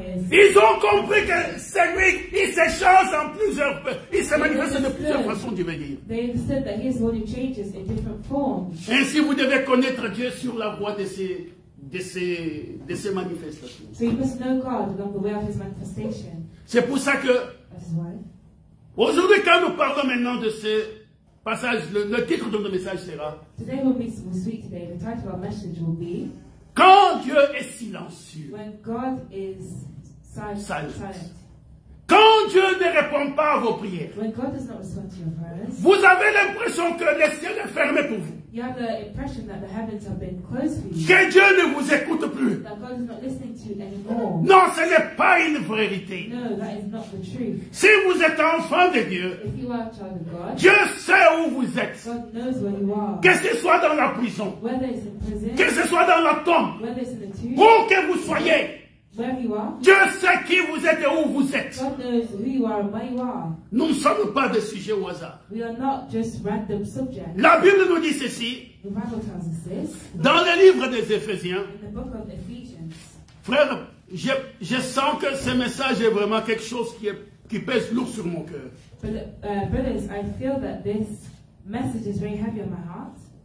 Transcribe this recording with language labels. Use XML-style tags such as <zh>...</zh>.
<fr>Ils ont compris que c'est lui, il se change en plusieurs, il se manifeste de plusieurs façons de venir. Ainsi, vous devez connaître Dieu sur la voie de ses manifestations.</fr> <en>So you must know God along the way of his manifestation.</en> <fr>C'est pour ça que.</fr> <en>That's why.</en> <fr>Aujourd'hui, quand nous parlons maintenant de ce passage, le titre de notre message sera</fr> <en>today will be so sweet today. The title of our message will be</en> <fr>quand Dieu est silencieux.</fr> <en>When God is silent.</en> <fr>Quand Dieu ne répond pas à vos prières.</fr> <en>When God does not respond to your prayers.</en> <fr>Vous avez l'impression que le ciel est fermé pour vous.</fr> <en>You have the impression that the heavens have been closed for you.</en> <fr>Que Dieu ne vous écoute plus.</fr> <en>That God is not listening to you anymore.</en> <fr>Non, ce n'est pas une vérité.</fr> <en>No, that is not the truth.</en> <fr>Si vous êtes enfant de Dieu,</fr> <en>if you are a child of God,</en> <fr>Dieu sait où vous êtes.</fr> <en>God knows where you are.</en> <fr>Que ce soit dans la prison,</fr> <en>whether it's in prison,</en> <fr>que ce soit dans la tombe,</fr> <en>whether it's in the tomb,</en> <fr>où que vous soyez, Dieu sait qui vous êtes et où vous êtes.</fr> <en>God knows who you are and where you are.</en> <fr>Nous ne sommes pas des sujets au hasard.</fr> <en>We are not just random subjects.</en> <fr>La Bible nous dit ceci.</fr> <en>The Bible tells us this.</en> <fr>Dans le livre des Éphésiens.</fr> <en>In the book of Ephesians.</en> <fr>Frère, je sens que ce message est vraiment quelque chose qui pèse lourd sur mon cœur.</fr> <en>Brothers, I feel that this message is very heavy on my heart.</en>